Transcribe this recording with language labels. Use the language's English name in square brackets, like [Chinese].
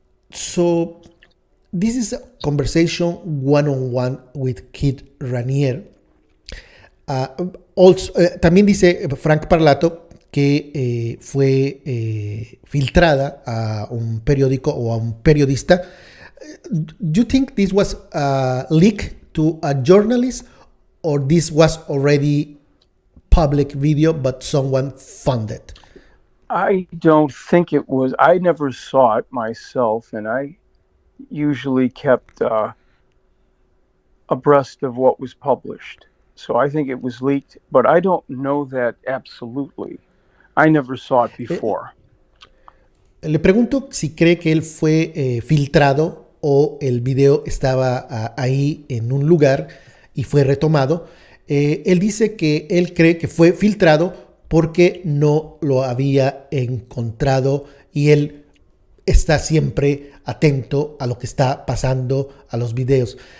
[English] So, this is a conversation one-on-one with Kit Ranier. [Spanish] También dice Frank Parlato que fue filtrada a un periódico o a un periodista. [English] Do you think this was a leak to a journalist or this was already public video but someone found it? I don't think it was. I never saw it myself, and I usually kept abreast of what was published. So I think it was leaked, but I don't know that absolutely. I never saw it before. [Spanish] Le pregunto si cree que él fue filtrado o el video estaba ahí en un lugar y fue retomado. Él dice que él cree que fue filtrado porque no lo había encontrado y él está siempre atento a lo que está pasando a los videos.